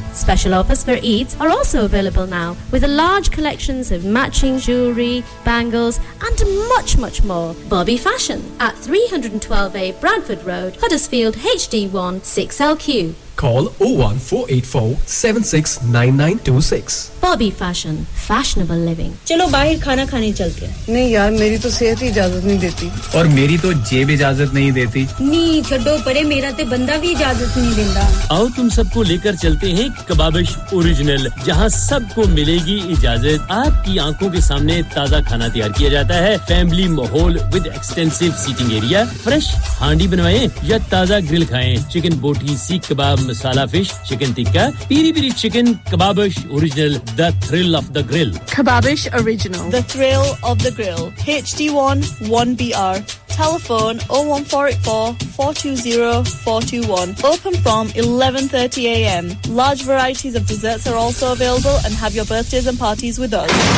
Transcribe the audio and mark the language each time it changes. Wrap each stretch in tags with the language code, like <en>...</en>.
<en>Special offers for Eids are also available now with a large collections of matching jewellery, bangles and much, much more. Bobby Fashion at 312A Bradford Road, Huddersfield HD1 6LQ. Call 01484-769926. Bobby Fashion, fashionable living.</en> <hi>चलो बाहर खाना खाने चलते हैं। नहीं यार मेरी तो सेहत ही इजाजत नहीं देती। और मेरी तो जेब इजाजत नहीं देती। नहीं छोड़ो परे मेरा तो बंदा भी इजाजत नहीं देता। आओ तुम सबको लेकर चलते हैं कबाबिश ओरिजिनल, जहां सबको मिलेगी इजाजत। आपकी आंखों के सामने ताजा खाना तैयार किया जाता है। फैमिली माहौल</hi> <en>With extensive seating area.</en> <hi>Fresh हांडी बनवाएं या ताजा ग्रिल खाएं। चिकन बोटी, सीख कबाब, मसाला fish, chicken tikka, Piri Piri chicken, Kababish original,</hi> <en>The thrill of the grill.</en> <hi>Kababish original,</hi> <en>The thrill of the grill, HD1 1BR, telephone 01484-420-421, open from 11:30 a.m. Large varieties of desserts are also available, and have your birthdays and parties with us.</en>